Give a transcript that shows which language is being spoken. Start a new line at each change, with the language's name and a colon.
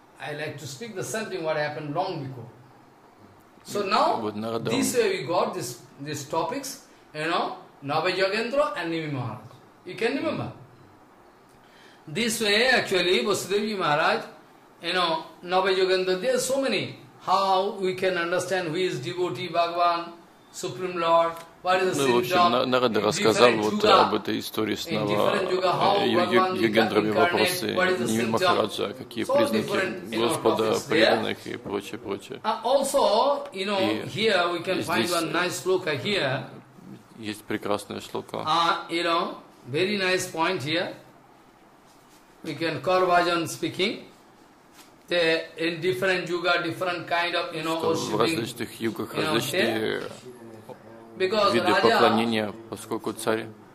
English: I like to speak the same thing what happened long ago. So now this way we got this topics, you know, Navajagendra and Nimi Maharaj. You can remember. This way actually Vasudev Ji Maharaj, you know, Navajagendra, there are so many. How we can understand who is devotee, Bhagavan, Supreme Lord.
Russian: Ну, в общем, Нарада рассказал вот об этой истории с Навайогендрами, вопросы Нимми Махараджа, какие признаки Господа преданных и прочее, прочее.
English: Also, you know, here we can find one nice shloka here.
Russian: Есть прекрасная шлока.
English: You know, very nice point here. We can Karvajan speaking. The in different yuga, different kind of, you know, worshiping.
Russian: В различных югах различные. Виды поклонения, поскольку царь